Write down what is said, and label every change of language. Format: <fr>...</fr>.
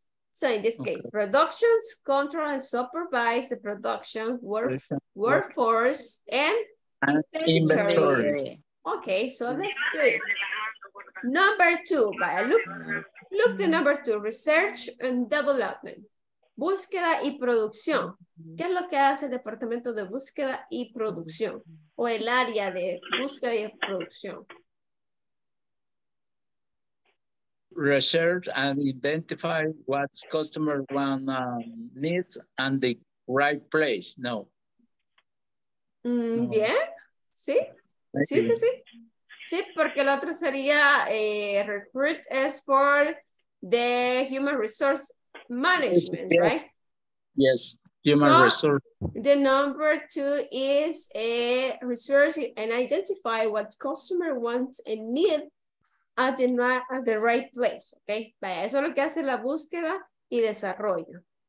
<en>So in this case, productions, control and supervise the production, workforce and inventory. Ok, so let's do it. Number two, vaya, look the number two, research and development.</en> <es>Búsqueda y producción. ¿Qué es lo que hace el departamento de búsqueda y producción? O el área de búsqueda y producción.</es> <en>Research and identify what customer want needs and the right place. No.</en> <es>Bien. Sí. Sí, sí, sí. Sí, porque la otra sería</es> <en>recruit is for the human resource management, yes. Right? Yes. Human resource. The number two is a research and identify what customer wants and need at the right place. Okay.</en> <es>Vaya, eso es lo que hace la búsqueda y desarrollo.</es>